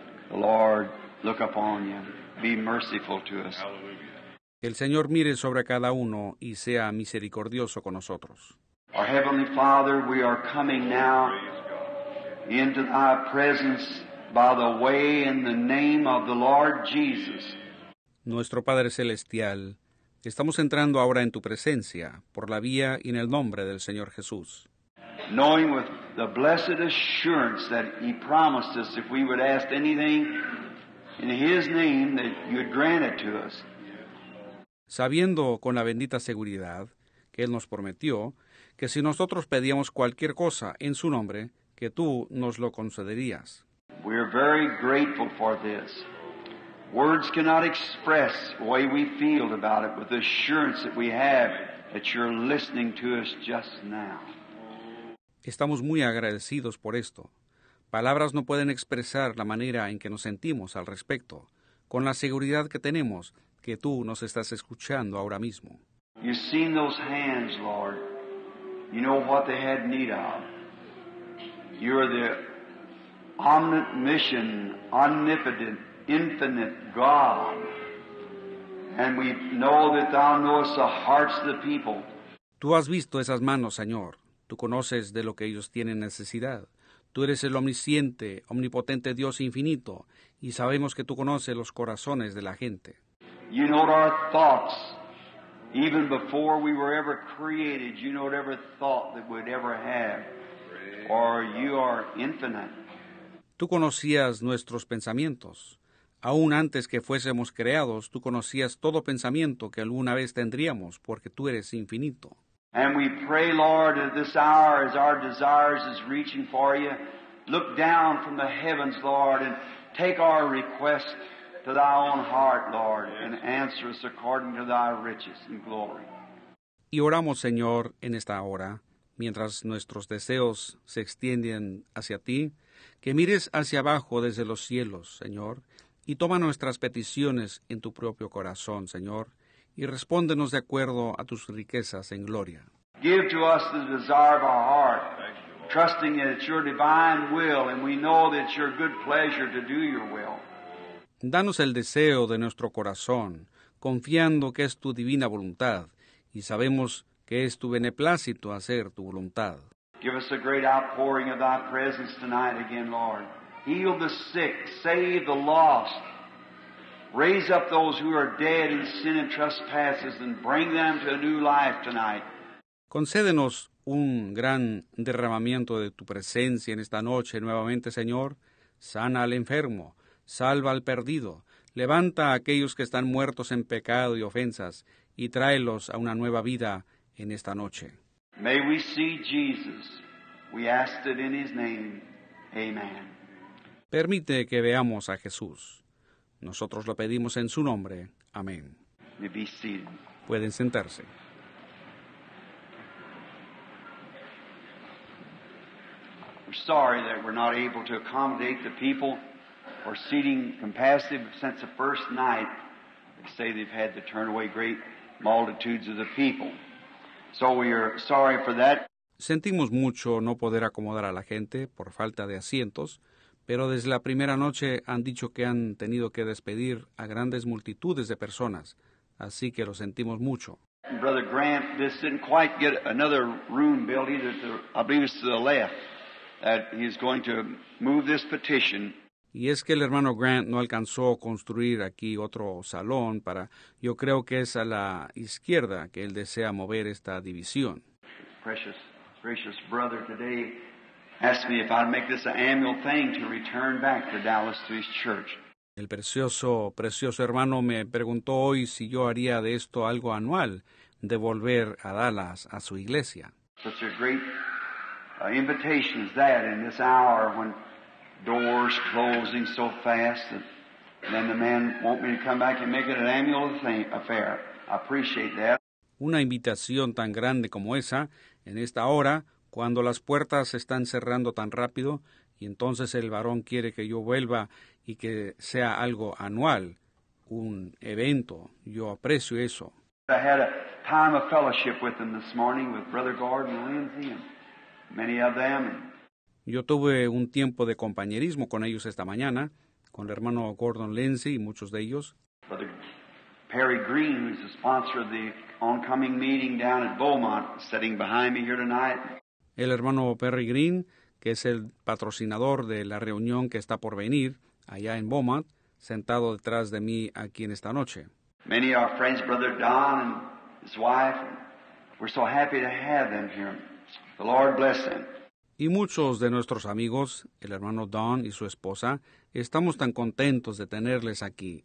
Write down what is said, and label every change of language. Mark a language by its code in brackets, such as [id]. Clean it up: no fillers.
[en] Lord, look upon you. Be merciful to us. Hallelujah. [es] Que el Señor mire sobre cada uno y sea misericordioso con nosotros. [en] Our Heavenly Father, we are coming now into thy presence by the way in the name of the Lord Jesus. [es] Nuestro Padre Celestial, estamos entrando ahora en tu presencia por la vía y en el nombre del Señor Jesús. [en] Knowing with the blessed assurance that he promised us if we would ask anything in his name that you would grant it to us. [es] Sabiendo con la bendita seguridad que Él nos prometió que si nosotros pedíamos cualquier cosa en su nombre, que tú nos lo concederías. [en] We are very grateful for this. Words cannot express the way we feel about it with the assurance that we have that you're listening to us just now. [es] Estamos muy agradecidos por esto. Palabras no pueden expresar la manera en que nos sentimos al respecto, con la seguridad que tenemos que tú nos estás escuchando ahora mismo. [en] You've seen those hands, Lord. You know what they had need of. You are the omniscient, omnipotent, infinite God. And we know that thou knowest the hearts of the people. [es] Tú has visto esas manos, Señor. Tú conoces de lo que ellos tienen necesidad. Tú eres el omnisciente, omnipotente Dios infinito. Y sabemos que tú conoces los corazones de la gente. [en] You know our thoughts, even before we were ever created, you know every thought that we'd ever have, or you are infinite. [es] Tú conocías nuestros pensamientos. Aún antes que fuésemos creados, tú conocías todo pensamiento que alguna vez tendríamos, porque tú eres infinito. [en] And we pray, Lord, at this hour, as our desires is reaching for you, look down from the heavens, Lord, and take our request to thy own heart, Lord, and answer us according to thy riches and glory. [es] Y oramos, Señor, en esta hora, mientras nuestros deseos se extienden hacia ti, que mires hacia abajo desde los cielos, Señor, y toma nuestras peticiones en tu propio corazón, Señor, y respóndenos de acuerdo a tus riquezas en gloria. [en] Give to us the desire of our heart, trusting that it's your divine will, and we know that it's your good pleasure to do your will. [es] Danos el deseo de nuestro corazón, confiando que es tu divina voluntad, y sabemos que es tu beneplácito hacer tu voluntad. [en] Give us a great outpouring of thy presence tonight again, Lord. Heal the sick, save the lost. Raise up those who are dead in sin and trespasses and bring them to a new life tonight. [es] Concédenos un gran derramamiento de tu presencia en esta noche nuevamente, Señor. Sana al enfermo, salva al perdido, levanta a aquellos que están muertos en pecado y ofensas y tráelos a una nueva vida en esta noche. [en] May we see Jesus. We ask it in his name. Amen. [es] Permite que veamos a Jesús. Nosotros lo pedimos en su nombre. Amén. Pueden sentarse. [en] We're sorry that we're not able to accommodate the people or seating capacity since the first night. They say they've had to turn away great multitudes of the people. So we are sorry for that. [es] Sentimos mucho no poder acomodar a la gente por falta de asientos. Pero desde la primera noche han dicho que han tenido que despedir a grandes multitudes de personas, así que lo sentimos mucho. [en] Brother Grant just didn't quite get another room built either, I believe it's to the left, that he's going to move this petition. [es] Y es que el hermano Grant no alcanzó a construir aquí otro salón para, yo creo que es a la izquierda que él desea mover esta división. [en] Precious, precious brother today. Asked me if I'd make this an annual thing to return back to Dallas to his church. [es] El precioso, precioso hermano me preguntó hoy si yo haría de esto algo anual, de volver a Dallas a su iglesia. [en] Such a great invitation is that in this hour when doors closing so fast, and then the man want me to come back and make it an annual thing, affair. I appreciate that. [es] Una invitación tan grande como esa en esta hora. Cuando las puertas se están cerrando tan rápido, y entonces el varón quiere que yo vuelva y que sea algo anual, un evento, yo aprecio eso. [en] I had a time of fellowship with them this morning with Brother Gordon Lindsay and many of them. [es] Yo tuve un tiempo de compañerismo con ellos esta mañana, con el hermano Gordon Lindsay y muchos de ellos. [en] Brother Perry Green, who's the sponsor of the oncoming meeting down at Beaumont, sitting behind me here tonight. [es] El hermano Perry Green, que es el patrocinador de la reunión que está por venir allá en Beaumont, sentado detrás de mí aquí en esta noche. [en] Many of our friends, Brother Don and his wife, we're so happy to have them here. The Lord bless them. [es] Y muchos de nuestros amigos, el hermano Don y su esposa, estamos tan contentos de tenerles aquí.